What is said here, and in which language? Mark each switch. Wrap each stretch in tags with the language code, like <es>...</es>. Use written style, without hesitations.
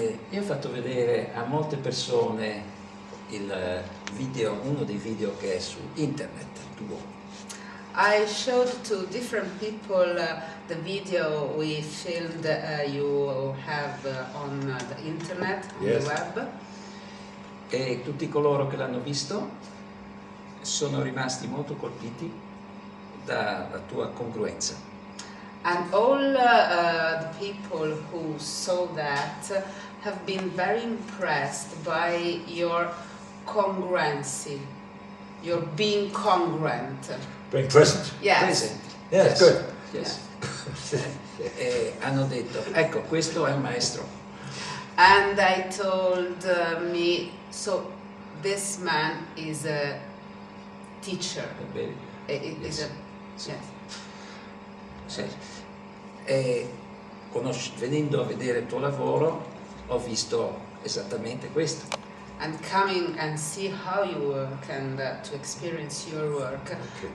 <it>Io ho fatto vedere a molte persone il video, uno dei video che è su internet tuo.</it> <en>I showed to different people the video we filmed you have on the internet, yes. On the web.</en> <it>E tutti coloro che l'hanno visto sono rimasti molto colpiti dalla tua congruenza.</it> <en>And all the people who saw that have been very impressed by your congruency, your being congruent. Being present. Yes. Present. Yes. Yes. Good. Yes. Yeah.</en> <it>hanno detto, ecco, questo è un maestro.</it> <en>And I told me, so this man is a teacher. A baby. Yes. Yes.</en> <it>Sì. E venendo a vedere il tuo lavoro ho visto esattamente questo.</it> <en>And coming and see how you work and to experience your work, okay.</en>